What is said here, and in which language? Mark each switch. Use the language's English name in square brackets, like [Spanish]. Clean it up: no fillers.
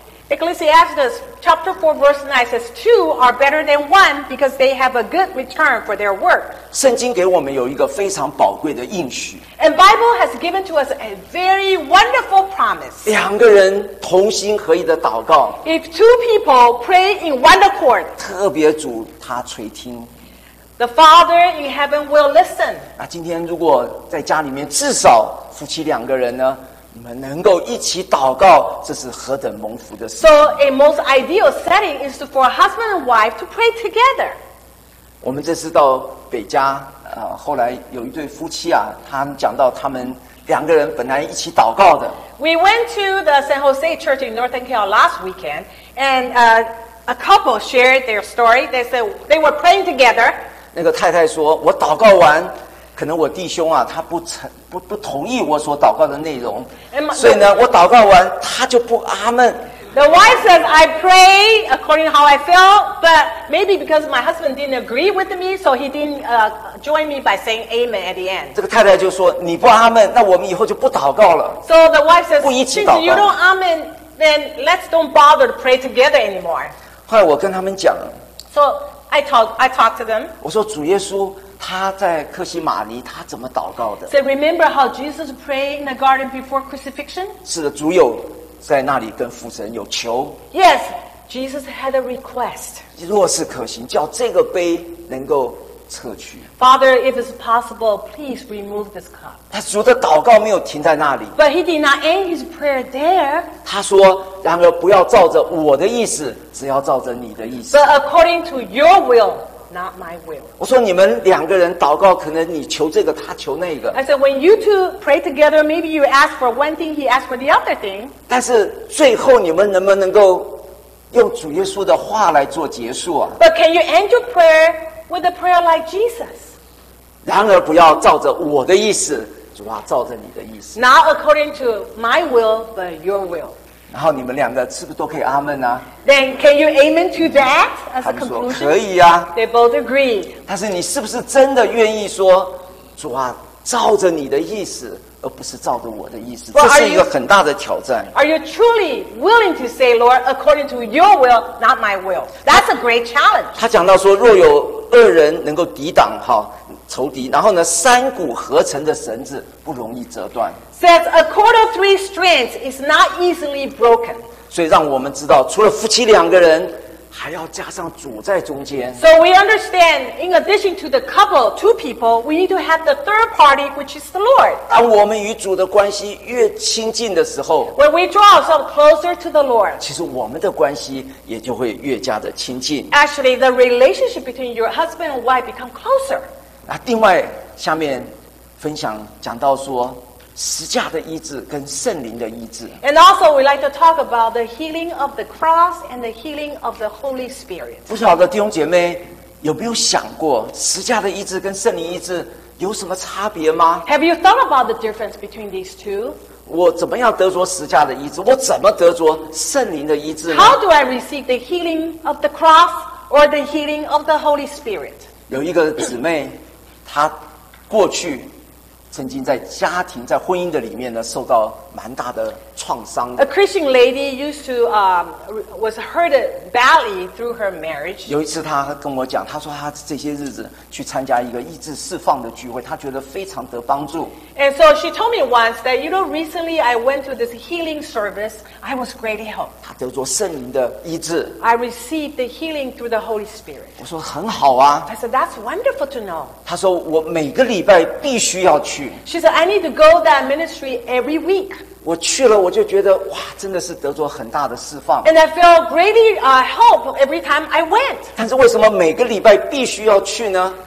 [English] Ecclesiastes chapter 4 verse 9 says two are better than one because they have a good return for their work [Chinese] 圣经给我们有一个非常宝贵的应许 [English] And Bible has given to us a very wonderful promise [Chinese] 两个人同心合意的祷告 [English] If two people pray in one accord [Chinese] 特别主他垂听 [English] The Father in heaven will listen [Chinese] 那今天如果在家里面至少夫妻两个人呢你们能够一起祷告，这是何等蒙福的事！ [English] So a most ideal setting is for husband and wife to pray together. [Chinese] 我们这次到北加，后来有一对夫妻啊，他们讲到他们两个人本来一起祷告的。 [English] We went to the San Jose Church in Northern Cal last weekend, and a couple shared their story. They said they were praying together. [Chinese] 那个太太说，我祷告完。可能我弟兄啊，他不同意我所祷告的内容， [English] my, [Chinese] 所以呢，我祷告完他就不阿门。 [English] The wife says I pray according to how I feel, but maybe because my husband didn't agree with me, so he didn't join me by saying amen at the end. [Chinese] 这个太太就说你不阿门，那我们以后就不祷告了。 [English] So the wife says since you don't amen, then let's don't bother to pray together anymore. [Chinese] 后来我跟他们讲， [English] So I talked to them. [Chinese] 我说主耶稣。他在克西马尼他怎么祷告的 [English] So remember how Jesus prayed in the garden before crucifixion? [Chinese] 是的主有在那里跟父神有求 [English] Yes, Jesus had a request [Chinese] 若是可行叫这个杯能够撤去 [English] Father, if it's possible, please remove this cup [Chinese] 但主的祷告没有停在那里 [English] But he did not end his prayer there [Chinese] 他说然而不要照着我的意思只要照着你的意思 [English] But according to your willNot my will. [Chinese] 我说你们两个人祷告，可能你求这个，他求那个。 [English] I said when you two pray together, maybe you ask for one thing, he asks for the other thing. [Chinese] 但是最后你们能不能够用主耶稣的话来做结束啊 [English] ？But can you end your prayer with a prayer like Jesus? [Chinese] 然而不要照着我的意思，主啊，照着你的意思。 [English] Not according to my will, but your will. [Chinese] 然后你们两个是不是都可以阿们啊 [English] Then can you amen to that as a conclusion? [Chinese] 他们说可以啊 [English] They both agreed. [Chinese] 但是你是不是真的愿意说主啊照着你的意思而不是照着我的意思这是一个很大的挑战 [English] Are you truly willing to say Lord according to your will not my will? That's a great challenge. [Chinese] 他讲到说若有二人能够抵挡仇敌然后呢三股合成的绳子不容易折断 [English] says a cord of three strands is not easily broken [Chinese] 所以让我们知道除了夫妻两个人还要加上主在中间。 [English] So we understand, in addition to the couple, two people, we need to have the third party, which is the Lord. [Chinese] 当我们与主的关系越亲近的时候 [English] ，When we draw ourselves closer to the Lord, [Chinese] 其实我们的关系也就会越加的亲近。 [English] Actually, the relationship between your husband and wife become closer. [Chinese] 那另外下面分享讲到说。十架的医治跟圣灵的医治。 [English] And also, we like to talk about the healing of the cross and the healing of the Holy Spirit. [Chinese] 不晓得弟兄姐妹有没有想过十架的医治跟圣灵医治有什么差别吗 [English] ？Have you thought about the difference between these two? [Chinese] 我怎么样得着十架的医治？我怎么得着圣灵的医治呢 [English] ？How do I receive the healing of the cross or the healing of the Holy Spirit? [Chinese] 有一个姊妹，她过去。曾经在家庭在婚姻的里面呢受到蛮大的创伤的 [English] A Christian lady used to was hurt badly through her marriage [Chinese] 有一次她跟我讲她说她这些日子去参加一个意志释放的聚会她觉得非常得帮助 [English] And so she told me once that you know recently I went to this healing service I was great help [Chinese] 她得着圣灵的医治 [English] I received the healing through the Holy Spirit [Chinese] 我说很好啊 [English] I said that's wonderful to know [Chinese] 她说我每个礼拜必须要去 [English] She said I need to go to that ministry every week [Chinese] 我去了，我就觉得哇，真的是得着很大的释放。 [English] And I feel greatly help every time I went. [Chinese] 但是为什么每个礼拜必须要去呢